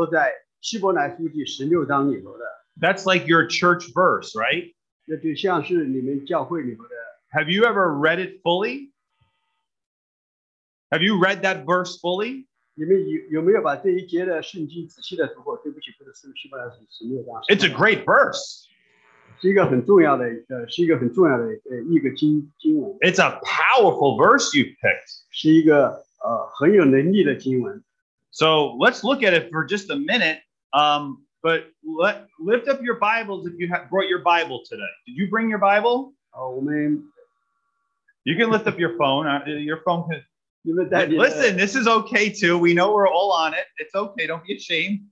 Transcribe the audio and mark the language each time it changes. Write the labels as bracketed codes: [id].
[zh] 因为我们读到神的话，比方说在希伯来书第十六章里头的。 [en] That's like your church verse, right? [zh] 那就像是你们教会里头的。 [en] Have you ever read it fully? Have you read that verse fully? [zh] 你们有没有把这一节的圣经仔细的读过？对不起，不是希伯来书十六章。 [en] It's a great verse. [zh] 是一个很重要的一个经文。 [en] It's a powerful verse you've picked. [zh] 是一个很有能力的经文。 [en] So let's look at it for just a minute. But lift up your Bibles if you brought your Bible today. Did you bring your Bible? Oh, man. You can lift up your phone. Your phone can... Listen, this is okay, too. We know we're all on it. It's okay. Don't be ashamed.